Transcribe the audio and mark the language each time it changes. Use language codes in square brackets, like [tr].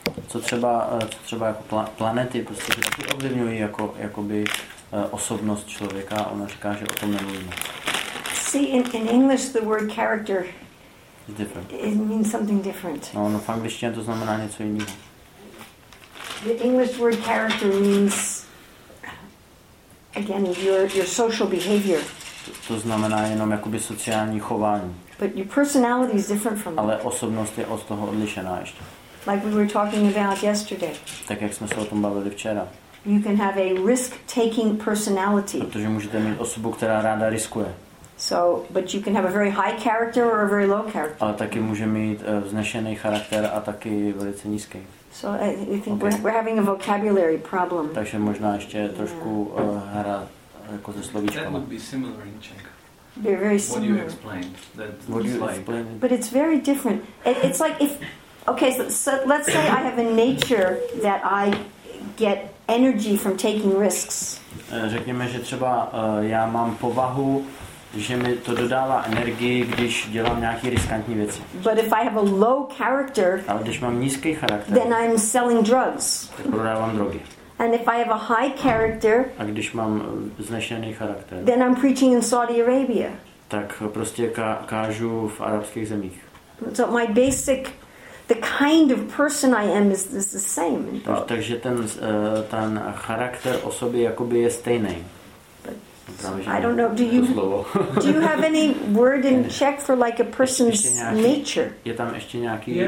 [cs] Co třeba jako planety, prostě taky ovlivňují jako jakoby osobnost člověka. Ona říká, že o tom nemluvíme. [en] See, in English the word character is different. It means something different. [cs] No, v angličtině to znamená něco jiného. [en] The English word character means again your social behavior. [cs] To znamená jenom jakoby sociální chování. [en] But your personality is different from that. [cs] Ale osobnost je od toho odlišená ještě. [en] Like we were talking about yesterday. [cs] Tak jak jsme se o tom bavili včera. [en] You can have a risk-taking personality. [cs] Protože můžete mít osobu, která ráda riskuje. [en] So, but you can have a very high character or a very low character. [cs] Ale taky může mít vznešený charakter a taky velice nízký. [en] So I think we're having a vocabulary problem. [cs] Takže možná ještě trošku hra jako se slovíčkama. [en] That would be similar in Czech. They're very similar. What you explained. But it's very different. It's like if... Okay, so let's say I have a nature that I get energy from taking risks. [cs] Řekněme, že třeba já mám povahu, že mi to dodává energii, když dělám nějaké riskantní věci. [en] But if I have a low character, [cs] ale když mám nízký charakter, [en] then I'm selling drugs. [cs] Tak prodávám drogy. [en] And if I have a high character, [cs] a když mám vznešený charakter, [en] then I'm preaching in Saudi Arabia. [cs] Tak prostě kážu v arabských zemích. [en] So my basic... The kind of person I am is the same. [cs] Takže ten charakter osoby jakoby je stejný. [en] I don't know. Do you have any word in Czech for like a person's nature? [cs] Je tam ještě nějaký